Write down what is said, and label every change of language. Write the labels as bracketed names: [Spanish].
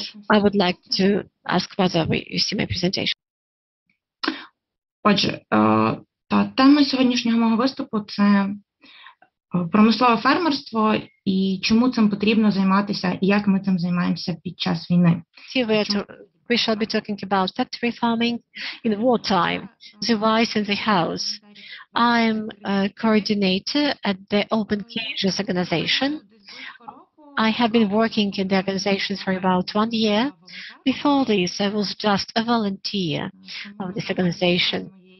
[English] I would like to ask whether you see my presentation. [Ukrainian] Отже, та тема сьогоднішнього мого виступу – це промислове фермерство і чому цим потрібно займатися і як ми цим займаємося під час війни. [English] We shall be talking about factory farming in wartime, the wise in the house. I'm a coordinator at the Open Cages organization. I have been working in the organization for about 1 year. Before this, I was just a volunteer of this organization.